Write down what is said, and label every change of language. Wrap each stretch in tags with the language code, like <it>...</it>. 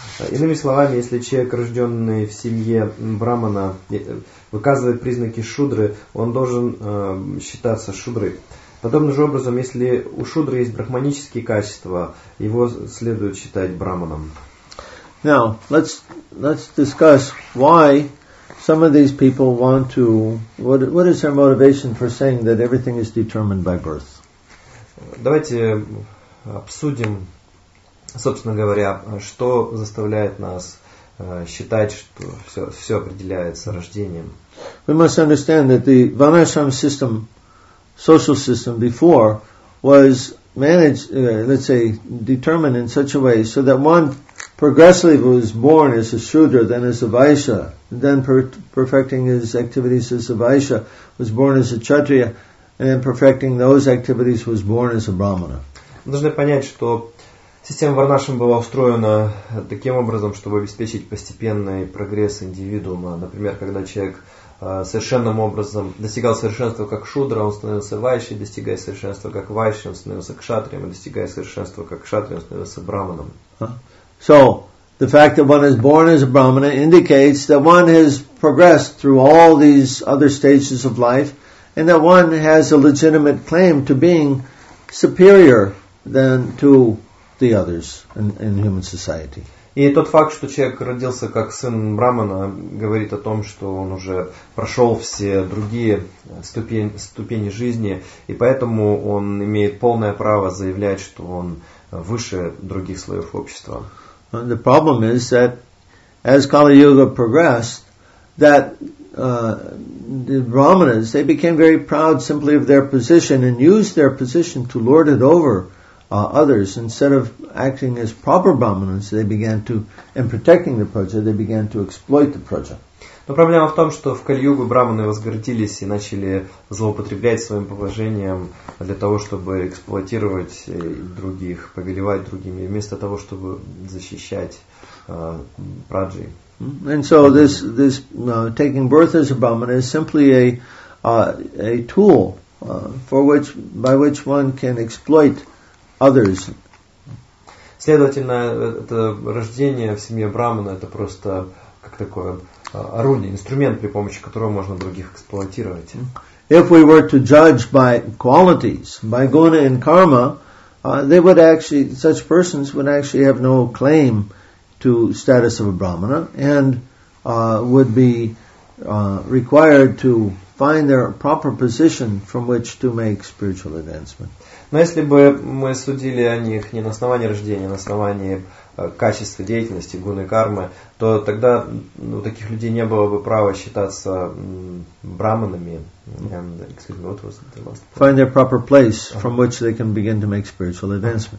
<ru>Иными словами, если человек, рожденный в семье брахмана, выказывает признаки шудры, он должен считаться шудрой. Подобным же образом, если у шудры есть брахманические качества, его следует считать брахманом.</ru> <en>Now, let's discuss why some of these people want to... What is their motivation for saying that everything is determined by birth?</en> <ru>Давайте обсудим, собственно говоря, что заставляет нас считать, что все определяется рождением.</ru> <en>We must understand that the Vanashram system, social system before, was managed, determined in such a way so that one progressively was born as a Shudra, then as a Vaishya, then perfecting his activities as a Vaishya, was born as a Kshatriya, and in perfecting those activities was born as a brahmana.</en> <ru>Мы должны понять, что система Варнашрам была устроена таким образом, чтобы обеспечить постепенный прогресс индивидуума. Например, когда человек совершенным образом достигал совершенства как шудра, он становился вайшей, достигая совершенства как вайшей, он становился кшатрием, достигая совершенства как кшатрием, он становился брахманом.</ru> <en>So, the fact that one is born as a brahmana indicates that one has progressed through all these other stages of life, and that one has a legitimate claim to being superior than to the others in human society.</en> <ru>И тот факт, что человек родился как сын брахмана, говорит о том, что он уже прошел все другие ступени жизни, и поэтому он имеет полное право заявлять, что он выше других слоев общества.</ru> <en>And the problem is that as Kali Yuga progressed, that the brahmanas, they became very proud simply of their position and used their position to lord it over others. Instead of acting as proper brahmanas, they began to, and protecting the praja, they began to exploit the praja.</en> <ru>Но проблема в том, что в Кали-Югу брахманы возгордились и начали злоупотреблять своим положением для того, чтобы эксплуатировать других, повелевать другими, вместо того, чтобы защищать праджи.</ru> <en>And so this taking birth as a brahmana is simply a tool by which one can exploit others.</en> <ru>Следовательно, это рождение в семье брахмана это просто как такое орудие, инструмент, при помощи которого можно других эксплуатировать.</ru> <en>If we were to judge by qualities, by guna and karma, such persons would actually have no claim to status of a brahmana and would be required to find their proper position from which to make spiritual advancement.</en> <ru>Но если бы мы судили о них не на основании рождения, а на основании качества деятельности, гуны кармы, то тогда у таких людей не было бы права считаться браманами.</ru> <en>Find their proper place from which they can begin to make spiritual advancement.</en>